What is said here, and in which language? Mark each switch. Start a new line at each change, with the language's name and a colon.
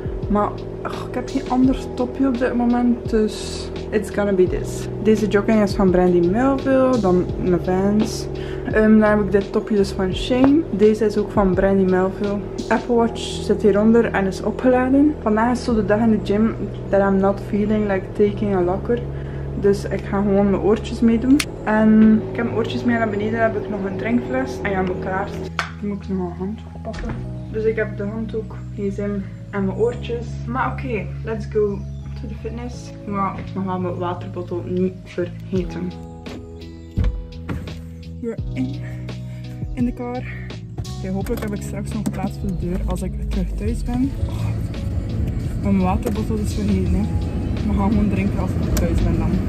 Dutch: Maar ach, ik heb geen ander topje op dit moment, dus
English: it's gonna be this.
Dutch: Deze jogging is van Brandy Melville, dan mijn Vans. Dan heb ik dit topje dus van Shane. Deze is ook van Brandy Melville. Apple Watch zit hieronder en is opgeladen. Vandaag is zo de dag in de gym
English: that I'm not feeling like taking a locker.
Dutch: Dus ik ga gewoon mijn oortjes meedoen. En ik heb mijn oortjes mee naar beneden, heb ik nog een drinkfles en ja, mijn kaart. Dan moet ik nog een handdoek pakken. Dus ik heb de handdoek, deze in en mijn oortjes. Maar oké,
English: okay, let's go to the fitness.
Dutch: Maar ik mag wel mijn waterbottel niet vergeten.
English: We're in
Dutch: de car. Oké,
English: okay,
Dutch: hopelijk heb ik straks nog plaats voor de deur als ik terug thuis ben. Oh, mijn waterbottel is vergeten. We gaan gewoon drinken als ik thuis ben dan.